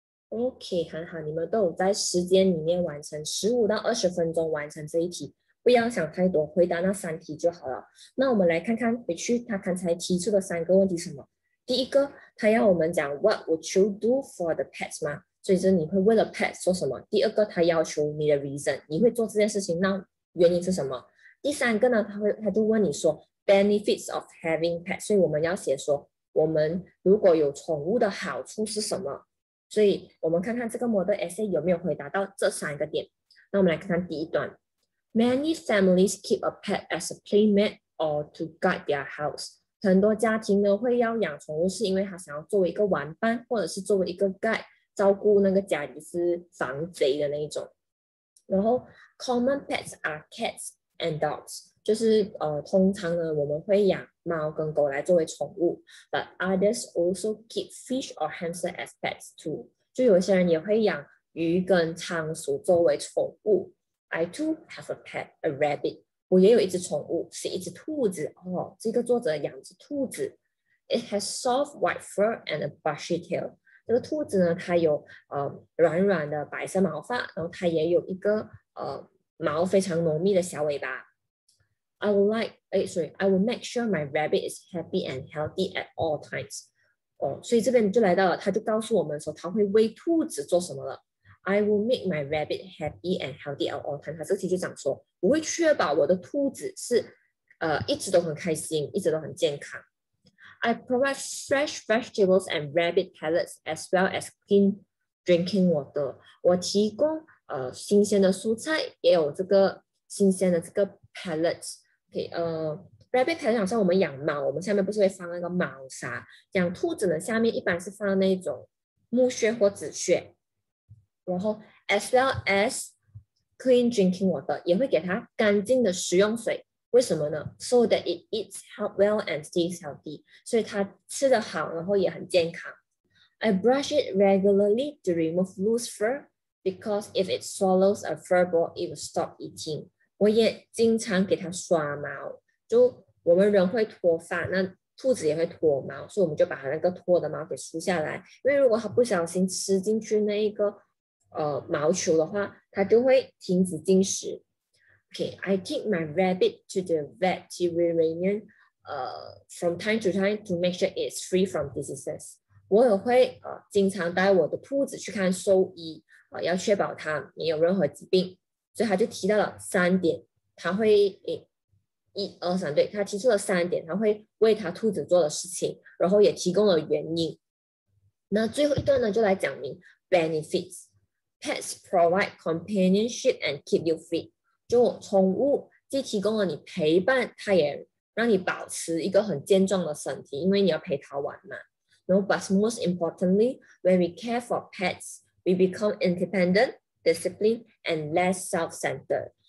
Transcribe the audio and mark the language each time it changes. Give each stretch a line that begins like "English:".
Chinese: OK，很好，你们都有在时间里面完成，15到20分钟完成这一题，不要想太多，回答那三题就好了。那我们来看看，回去他刚才提出的三个问题什么？第一个，他要我们讲
English: What would you do for the pets 吗？
Chinese: 所以你会为了 pets 做什么？第二个，他要求你的 reason，你会做这件事情，那原因是什么？第三个呢，他就问你说
English: benefits of having pets，
Chinese: 所以我们要写说我们如果有宠物的好处是什么？所以我们看看这个 model essay 有没有回答到这三个点。那我们来看看第一段：
English: Many families keep a pet as a playmate or to guide their house。
Chinese: 很多家庭呢会要养宠物，是因为他想要作为一个玩伴，或者是作为一个 guide，照顾那个家里是防贼的那一种。
English: 然后，common pets are cats and dogs，
Chinese: 就是通常呢我们会养猫跟狗来作为宠物，
English: but others also keep fish or hamster as pets too。
Chinese: 就有些人也会养鱼跟仓鼠作为宠物。
English: I too have a pet, a rabbit。
Chinese: 我也有一只宠物，是一只兔子哦。这个作者养只兔子，
English: It has soft white fur and a bushy tail。
Chinese: 这个兔子呢，它有软软的白色毛发，然后它也有一个毛非常浓密的小尾巴。
English: I will make sure my rabbit is happy and healthy at all times。
Chinese: 哦，所以这边就来到了，他就告诉我们说他会喂兔子做什么了。
English: I will make my rabbit happy and healthy at all times。
Chinese: 他这期就讲说，我会确保我的兔子是一直都很开心，一直都很健康。
English: I provide fresh vegetables and rabbit pellets as well as clean drinking water。
Chinese: 我提供新鲜的蔬菜，也有这个新鲜的这个 pellets。 Rabbit 好像我们养猫，我们下面不是会放那个猫砂？养兔子呢，下面一般是放那种木屑或纸屑。然后，
English: as well as clean drinking water，
Chinese: 也会给它干净的食用水。为什么呢？
English: So that it eats well and stays healthy，
Chinese: 所以它吃得好，然后也很健康。
English: I brush it regularly to remove loose fur because if it swallows a fur ball, it will stop eating。
Chinese: 我也经常给它刷毛，就我们人会脱发，那兔子也会脱毛，所以我们就把它那个脱的毛给梳下来。因为如果它不小心吃进去那一个毛球的话，它就会停止进食。
English: Okay, I take my rabbit to the veterinarian, from time to time to make sure it's free from diseases。
Chinese: 我也会经常带我的兔子去看兽医，要确保它没有任何疾病。所以他就提到了三点，他会一二三，对，他提出了三点，他会为他兔子做的事情，然后也提供了原因。那最后一段呢，就来讲明 benefits。
English: Pets provide companionship and keep you fit。
Chinese: 就宠物既提供了你陪伴，它也让你保持一个很健壮的身体，因为你要陪它玩嘛。
English: 然后，but most importantly, when we care for pets, we become independent。 Discipline and less self-centered。